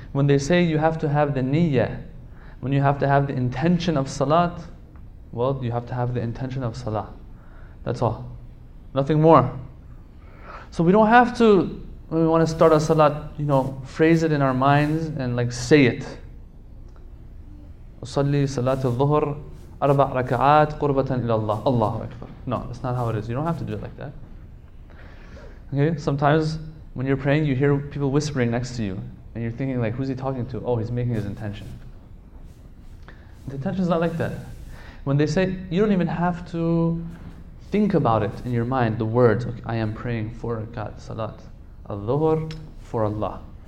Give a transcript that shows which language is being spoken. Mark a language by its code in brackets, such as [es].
[en] When they say you have to have the niyyah, when you have to have the intention of salat, well, you have to have the intention of salah. That's all. Nothing more. So we don't have to, when we want to start a salat, you know, phrase it in our minds and like say it. [ar] أصلي صلاة الظهر أربع ركعات قربة إلى الله الله أكبر. [en] No, that's not how it is. You don't have to do it like that. Okay, sometimes when you're praying, you hear people whispering next to you, and you're thinking like, who's he talking to? Oh, he's making his intention. The intention is not like that. When they say, you don't even have to think about it in your mind, the words, okay, I am praying for ركعات salat الظهر for Allah.